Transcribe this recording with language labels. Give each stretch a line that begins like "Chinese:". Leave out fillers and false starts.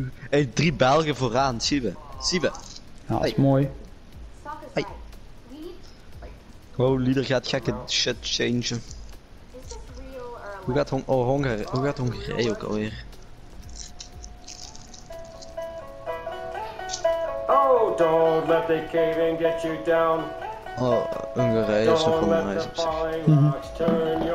Dutch: Hey, 3 Belgen vooraan, zie we. Zie we. Ja, dat is mooi. Wow, leader gaat gekke shit changen. Hoe gaat Hongarije ook alweer?
English: Oh, don't let the caving get you down.
Dutch: Oh, Hongarije is nog gewoon nice op zich.